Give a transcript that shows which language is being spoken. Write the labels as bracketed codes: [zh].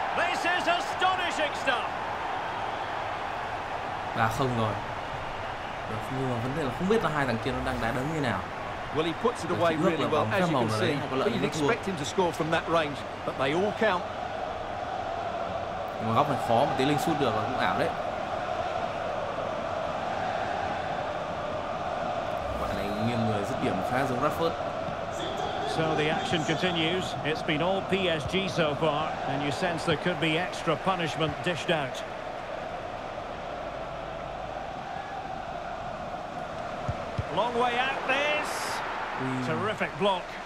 [en] This is astonishing stuff. [vi] Là không rồi. Nhưng mà vấn đề là không biết là hai thằng kia nó đang đá đấm như nào. [en] Well, he puts it away really well, as you can see. But you'd expect him to score from that range, but they all count. [vi] Mà góc này khó mà Tiến Linh sút được là cũng ảo đấy. Bạn này nghiêng người dứt điểm khá giống Rashford. [en] So the action continues. It's been all PSG so far, and you sense there could be extra punishment dished out. Long way out this. Terrific block.